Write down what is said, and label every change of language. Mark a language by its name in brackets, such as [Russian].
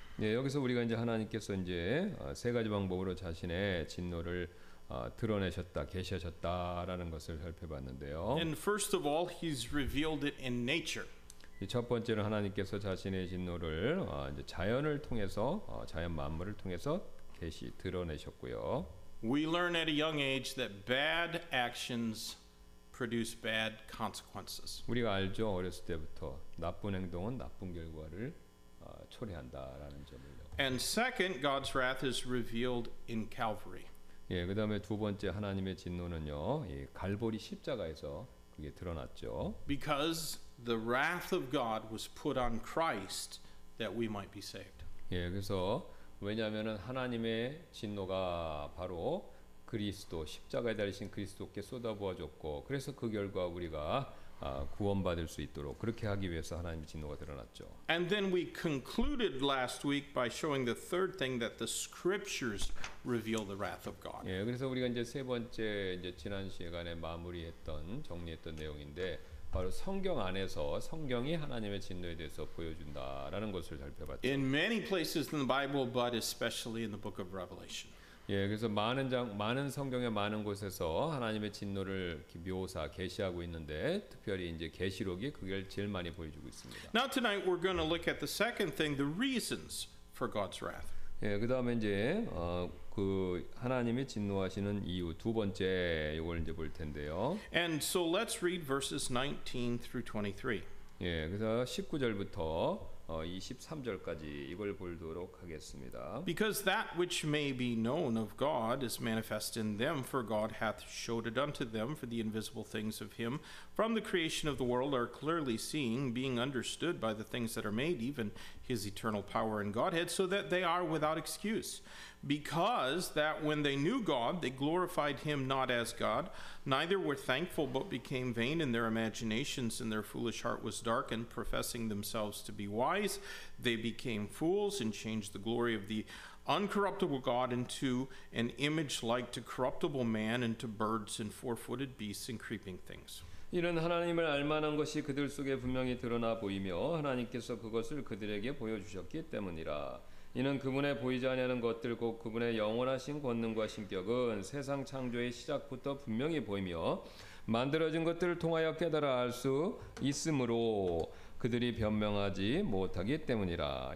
[Korean] 예, 여기서 우리가 이제 하나님께서 이제 세 가지 방법으로 자신의 진노를 드러내셨다, 계셔졌다라는 것을 살펴봤는데요. [English] And first of all, he's revealed it in nature. [Korean] 첫 번째는 하나님께서 자신의 진노를 이제 자연을 통해서 자연 만물을 통해서 계시 드러내셨고요. [English] We learn at a young age that bad actions produce bad consequences. [Korean] 우리가 알죠. 어렸을 때부터 나쁜 행동은 나쁜 결과를 초래한다라는 점을요. [English] And second, God's wrath is revealed in Calvary. [Korean] 예, 그다음에 두 번째 하나님의 진노는요. 예, 갈보리 십자가에서 그게 드러났죠. [English] Because the wrath of God was put on Christ that we might be saved. [Korean] 예, 그래서 왜냐면은 하나님의 진노가 바로 그리스도 십자가에 달리신 그리스도께 쏟아부어졌고 그래서 그 결과 우리가 구원받을 수 있도록 그렇게 하기 위해서 하나님의 진노가 드러났죠. [English] And then we concluded last week by showing the third thing that the scriptures reveal the wrath of God. [Korean] 예, 그래서 우리가 이제 세 번째 이제 지난 시간에 마무리했던 정리했던 내용인데 바로 성경 안에서 성경이 하나님의 진노에 대해서 보여준다라는 것을 살펴봤죠. [English] In many places in the Bible but especially in the book of Revelation. [Korean] 예, 그래서 많은 성경의 많은 곳에서 하나님의 진노를 묘사 계시하고 있는데 특별히 이제 계시록이 그걸 제일 많이 보여주고 있습니다. [English] Now tonight we're going to look at the second thing, the reasons for God's wrath. [Korean] 예, 그다음에 이제 그 하나님이 진노하시는 이유 두 번째 요걸 이제 볼 텐데요. [English] And so let's read verses 19 through 23. [Korean] 예, 그래서 19절부터 23절까지 이걸 보도록 하겠습니다. [English] Because that which may be known of God is manifest in them, for God hath showed it unto them, for the invisible things of him from the creation of the world are clearly seen, being understood by the things that are made, even his eternal power and Godhead, so that they are without excuse. Because that when they knew God, they glorified him not as God, neither were thankful, but became vain in their imaginations, and their foolish heart was darkened. Professing themselves to be wise, they became fools and changed the glory of the uncorruptible God into an image like to corruptible man and to birds and four-footed beasts and creeping things. [Korean] 이는 하나님을 알만한 것이 그들 속에 분명히 드러나 보이며 하나님께서 그것을 그들에게 보여주셨기 때문이라. 이는 그분의 보이지 아니하는 것들 곧 그분의 영원하신 권능과 신격은 세상 창조의 시작부터 분명히 보이며 만들어진 것들을 통하여 깨달아 알 수 있으므로 그들이 변명하지 못하기 때문이라.